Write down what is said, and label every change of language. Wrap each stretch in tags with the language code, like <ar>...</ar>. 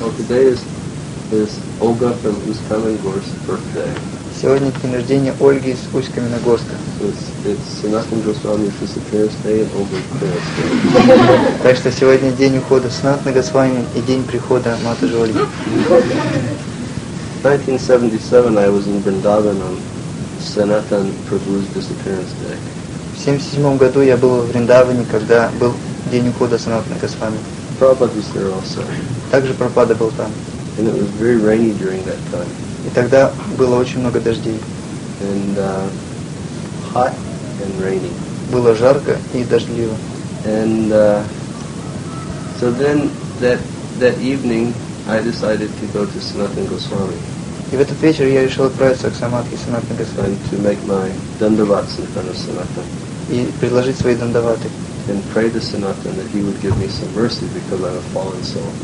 <en>Well, today is Olga from Uskalangorsk's birthday.</en> <ru>Сегодня день рождения Ольги из Усть-Каменогорска.</ru> <en>It's Sanatan Goswami's disappearance day and Olga's birthday.</en> <ru>Так что сегодня день ухода Sanatana Goswami и день прихода Матаджи Ольги.</ru> <en>In 1977 I was in Vrindavan on Sanatan Prabhu's disappearance day.</en> <ru>В 77 году я был в Вриндаване, когда был день ухода Санатана Госвами.</ru> <en>Prabhupada was there also.</en> <ru>Также Прабхупада был там.</ru> <en>And it was very rainy during that time.</en> <ru>И тогда было очень много дождей.</ru> <en>And hot and rainy.</en> <ru>было жарко и дождливо.</ru> <en>And so then that evening I decided to go to Sanatana Goswami.</en> <ru>И в этот вечер я решил отправиться к Самадхи Санатана Госвами.</ru> <en>To make my dandavats in front of Sanatana.</en> <ru>И предложить свои дандаваты.</ru> <en>And pray to Sanatana that he would give me some mercy because I'm a fallen soul.</en>